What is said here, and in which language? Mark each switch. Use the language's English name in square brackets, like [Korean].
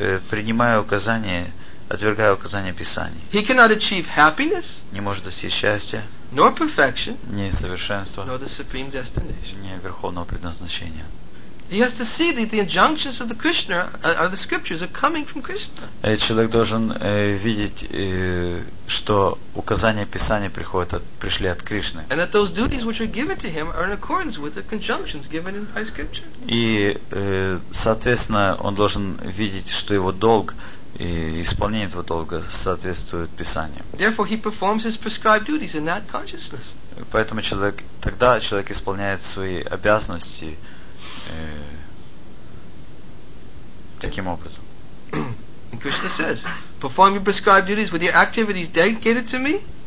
[Russian] принимая указания, отвергая указания Писаний, [English] he cannot achieve happiness, [Russian] не может достичь счастья, [English] nor perfection, [Russian] не совершенства, [English] nor the supreme destination, [Russian] не верховного предназначения. [English] He has to see that the injunctions of the Krishna are the scriptures are coming from Krishna. [Russian] Человек должен видеть, что указания Писания приходят пришли от Кришны. [English] And that those duties which are given to him are in accordance with the injunctions given in by scripture. [Russian] И соответственно, он должен видеть, что его долг и исполнение этого долга соответствует Писанию. [English] Therefore, he performs his prescribed duties in that consciousness. [Russian] Поэтому человек исполняет свои обязанности. Таким образом. [English] And Krishna says, perform your prescribed duties with your activities dedicated to me.